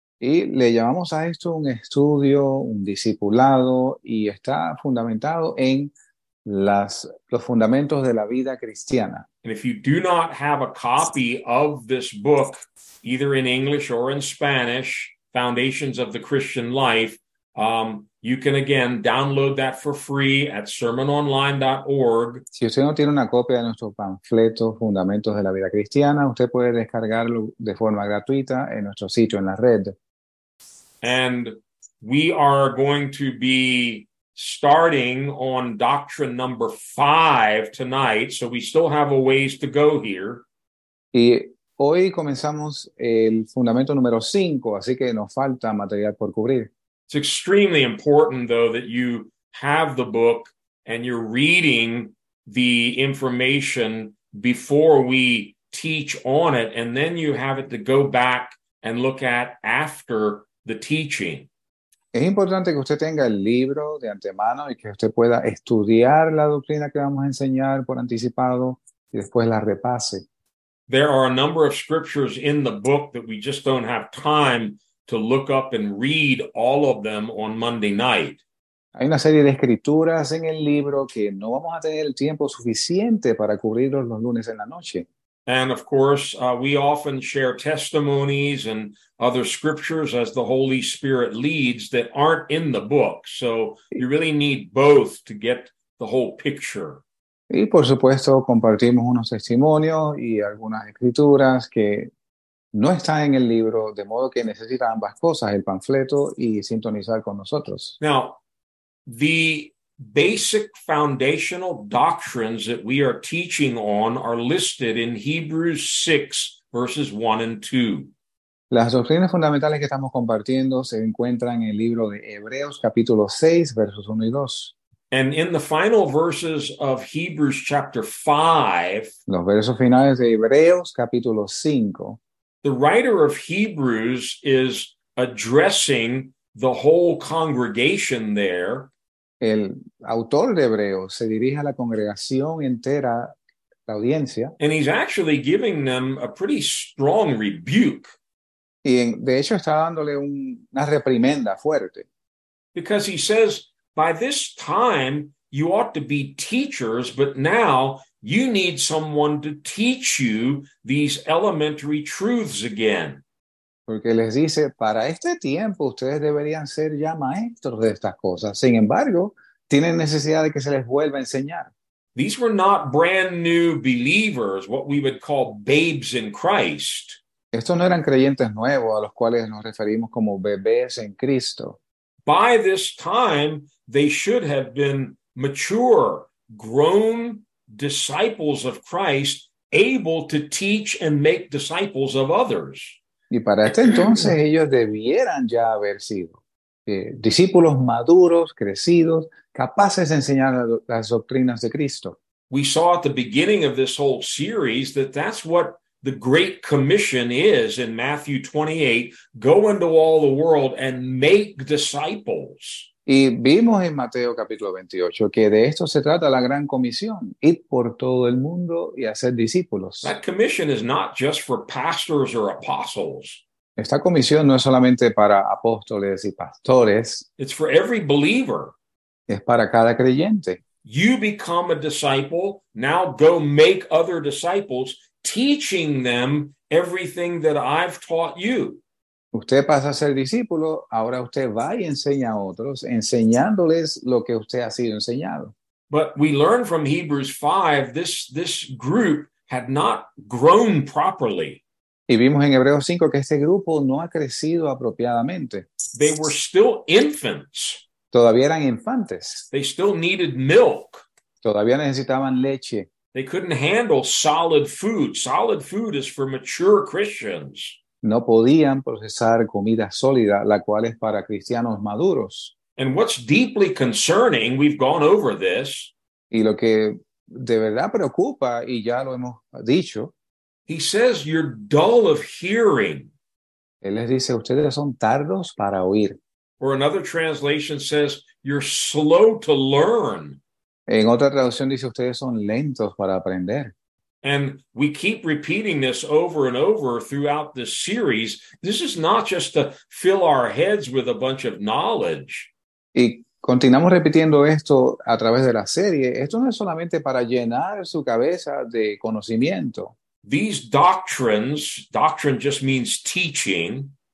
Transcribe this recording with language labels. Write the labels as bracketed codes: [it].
[es] Y le llamamos a esto un estudio, un discipulado, y está fundamentado en los fundamentos de la vida cristiana. [en] And if you do not have a copy of this book, either in English or in Spanish, Foundations of the Christian Life, you can again download that for free at sermononline.org. [es] Si usted no tiene una copia de nuestro panfleto Fundamentos de la Vida Cristiana, usted puede descargarlo de forma gratuita en nuestro sitio en la red. [en] And we are going to be starting on doctrine number 5 tonight, so we still have a ways to go here. [es] Y hoy comenzamos el fundamento número 5, así que nos falta material por cubrir. [en] It's extremely important, though, that you have the book and you're reading the information before we teach on it, and then you have it to go back and look at after the teaching. [es] Es importante que usted tenga el libro de antemano y que usted pueda estudiar la doctrina que vamos a enseñar por anticipado y después la repase. [en] There are a number of scriptures in the book that we just don't have time to look up and read all of them on Monday night. [es] Hay una serie de escrituras en el libro que no vamos a tener el tiempo suficiente para cubrirlos los lunes en la noche. [en] And of course, we often share testimonies and other scriptures as the Holy Spirit leads that aren't in the book. So you really need both to get the whole picture. [es] Y por supuesto, compartimos unos testimonios y algunas escrituras que no está en el libro, de modo que necesita ambas cosas, el panfleto y sintonizar con nosotros. [en] Now, the basic foundational doctrines that we are teaching on are listed in Hebrews 6, verses 1 and 2. [es] Las doctrinas fundamentales que estamos compartiendo se encuentran en el libro de Hebreos, capítulo 6, versos 1 y 2. [en] And in the final verses of Hebrews chapter 5, [es] los versos finales de Hebreos, capítulo 5, [en] the writer of Hebrews is addressing the whole congregation there. [es] El autor de Hebreos se dirige a la congregación entera, la audiencia. [en] And he's actually giving them a pretty strong rebuke. [es] Y de hecho está dándole una reprimenda fuerte. [en] Because he says, by this time, you ought to be teachers, but now you need someone to teach you these elementary truths again. [es] Porque les dice, para este tiempo, ustedes deberían ser ya maestros de estas cosas. Sin embargo, tienen necesidad de que se les vuelva a enseñar. [en] These were not brand new believers, what we would call babes in Christ. [es] Estos no eran creyentes nuevos a los cuales nos referimos como bebés en Cristo. [en] By this time, they should have been mature, grown disciples of Christ, able to teach and make disciples of others. [es] Y para este entonces ellos debieran ya haber sido discípulos maduros, crecidos, capaces de enseñar las doctrinas de Cristo. [en] We saw at the beginning of this whole series that's what the Great Commission is in Matthew 28, go into all the world and make disciples. [es] Y vimos en Mateo capítulo 28 que de esto se trata la gran comisión, ir por todo el mundo y hacer discípulos. [en] That commission is not just for pastors or apostles. [es] Esta comisión no es solamente para apóstoles y pastores. [en] It's for every believer. [es] Es para cada creyente. [en] You become a disciple, now go make other disciples, teaching them everything that I've taught you. [es] Usted pasa a ser discípulo, ahora usted va y enseña a otros, enseñándoles lo que usted ha sido enseñado. [en] But we learn from Hebrews 5, this group had not grown properly. [es] Y vimos en Hebreos 5 que este grupo no ha crecido apropiadamente. [en] They were still infants. [es] Todavía eran infantes. [en] They still needed milk. [es] Todavía necesitaban leche. [en] They couldn't handle solid food. Solid food is for mature Christians. [es] No podían procesar comida sólida, la cual es para cristianos maduros. [en] And what's deeply concerning, we've gone over this. [es] Y lo que de verdad preocupa, y ya lo hemos dicho. [en] He says, you're dull of hearing. [es] Él les dice, ustedes son tardos para oír. [en] Or another translation says, you're slow to learn. [es] En otra traducción dice, ustedes son lentos para aprender. [en] And we keep repeating this over and over throughout this series. This is not just to fill our heads with a bunch of knowledge. [es] Y continuamos repitiendo esto a través de la serie. Esto no es solamente para llenar su cabeza de conocimiento. [en] These doctrines, doctrine just means teaching.